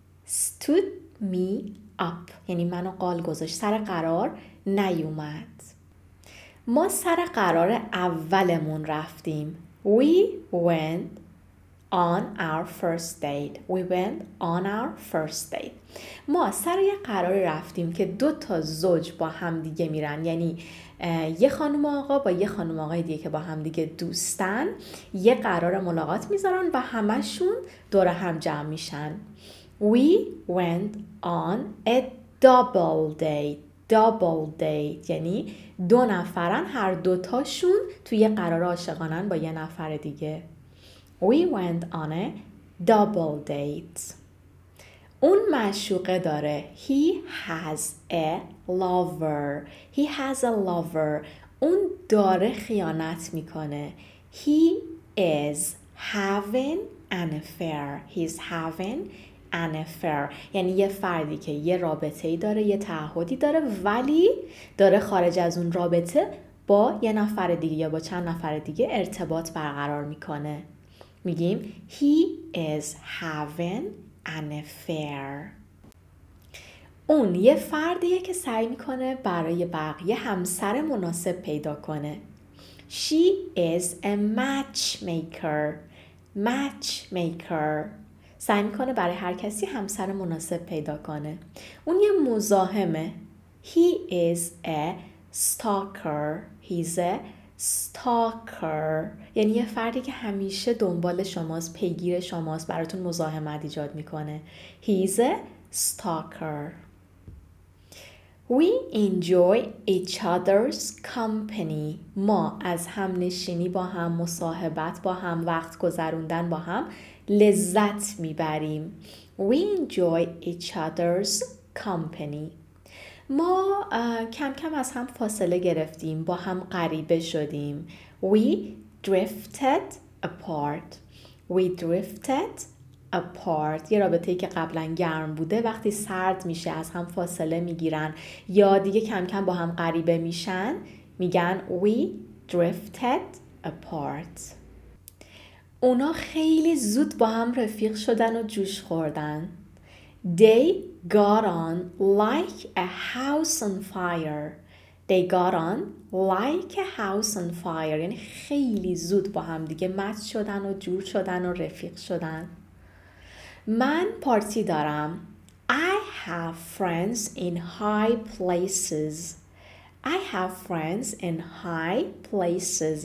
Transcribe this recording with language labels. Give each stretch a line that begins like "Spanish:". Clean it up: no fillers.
English: Stood me up.
Persian: یعنی منو قال گذاشت. سر قرار نیومد. ما سر قرار اولمون رفتیم.
English: We went on our first date. We went on our first date.
Persian: ما سر یه قرار رفتیم که دو تا زوج با هم دیگه میرن. یعنی یه خانم آقا با یه خانم آقای دیگه که با هم دیگه دوستن یه قرار ملاقات میذارن و همشون دور هم جمع میشن.
English: We went on a double date.
Persian: Double date یعنی دو نفرن هر دوتاشون توی قرار عاشقانن با یه نفر دیگه.
English: We went on a double date.
Persian: اون معشوقه داره.
English: He has a lover. He has a lover.
Persian: اون داره خیانت میکنه.
English: He is having an affair. He's having an affair.
Persian: یعنی یه فردی که یه رابطه‌ای داره، یه تعهدی داره ولی داره خارج از اون رابطه با یه نفر دیگه یا با چند نفر دیگه ارتباط برقرار میکنه. میگیم
English: He is having an affair.
Persian: اون یه فردیه که سعی میکنه برای بقیه همسر مناسب پیدا کنه.
English: She is a matchmaker. Matchmaker.
Persian: سعی میکنه برای هر کسی همسر مناسب پیدا کنه. اون یه مزاحمه.
English: He is a stalker. He's a stalker.
Persian: یعنی یه فردی که همیشه دنبال شماست، پیگیر شماست، براتون مزاحمت ایجاد میکنه.
English: He's a stalker. We enjoy each other's company.
Persian: ما از هم نشینی با هم، مصاحبت با هم، وقت گذروندن با هم لذت میبریم.
English: We enjoy each other's company.
Persian: ما کم کم از هم فاصله گرفتیم، با هم غریبه شدیم.
English: We drifted apart. We drifted apart.
Persian: یه رابطه‌ای که قبلا گرم بوده وقتی سرد میشه از هم فاصله میگیرن یا دیگه کم کم با هم غریبه میشن، میگن
English: We drifted apart.
Persian: اونا خیلی زود با هم رفیق شدن و جوش خوردن.
English: They got on like a house on fire. They got on like a house on fire.
Persian: یعنی خیلی زود با هم دیگه مچ شدن و جور شدن و رفیق شدن. من پارتی دارم.
English: I have friends in high places. I have friends in high places.